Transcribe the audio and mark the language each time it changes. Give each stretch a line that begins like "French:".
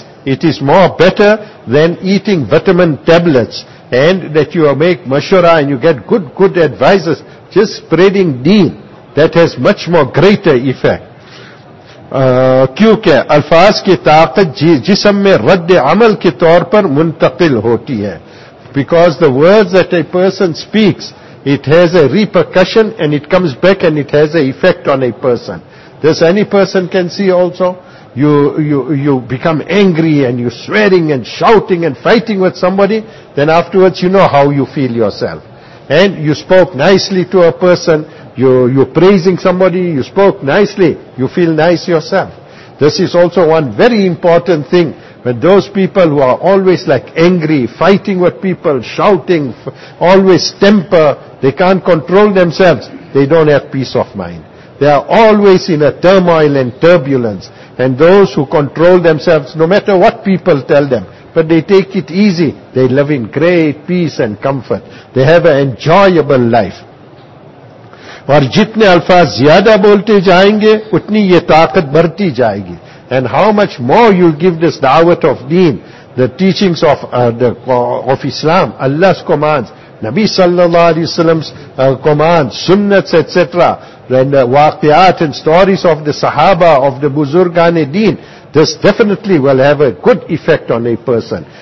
English: It is more better than eating vitamin tablets, and that you make mashura and you get good advices. Just spreading deen, that has much more greater effect.
Urdu: کیونکہ الفاظ کی طاقت جسم میں رد عمل کے طور پر منتقل ہوتی ہے.
English: Because the words that a person speaks, it has a repercussion and it comes back and it has an effect on a person. This any person can see also. You become angry and you're swearing and shouting and fighting with somebody, then afterwards you know how you feel yourself. And you spoke nicely to a person, You're praising somebody, you spoke nicely, you feel nice yourself. This is also one very important thing. When those people who are always like angry, fighting with people, shouting, always temper, they can't control themselves, they don't have peace of mind. They are always in a turmoil and turbulence. And those who control themselves, no matter what people tell them, but they take it easy, they live in great peace and comfort. They have an enjoyable life.
Urdu: اور جتنے الفاظ زیادہ بولتے جائیں گے اتنی یہ طاقت بڑھتی جائے گی.
English: And how much more you give this da'wat of deen, the teachings of of Islam, Allah's commands, Nabi sallallahu alayhi wa sallam's commands, sunnats, etc., and the waqiyat and stories of the sahaba, of the buzurgane deen, this definitely will have a good effect on a person.